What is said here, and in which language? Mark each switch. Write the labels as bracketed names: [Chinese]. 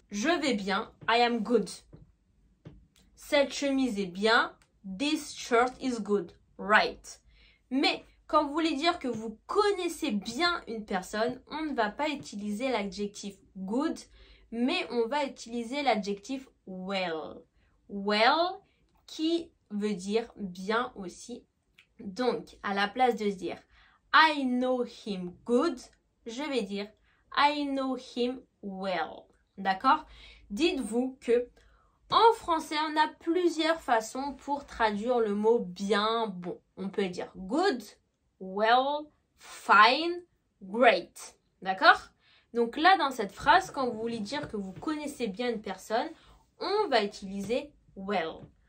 [French] Je vais bien, [English] I am good. [French] Cette chemise est bien, [English] this shirt is good, right? [French] Mais quand vous voulez dire que vous connaissez bien une personne, on ne va pas utiliser l'adjectif good, mais on va utiliser l'adjectif well. Well, qui veut dire bien aussi. Donc, à la place de dire [English] I know him good, [French] je vais dire [English] I know him well. [French] D'accord? Dites-vous que en français, on a plusieurs façons pour traduire le mot bien, bon. On peut dire good, well, fine, great. D'accord? Donc là, dans cette phrase, quand vous voulez dire que vous connaissez bien une personne, on va utiliser well.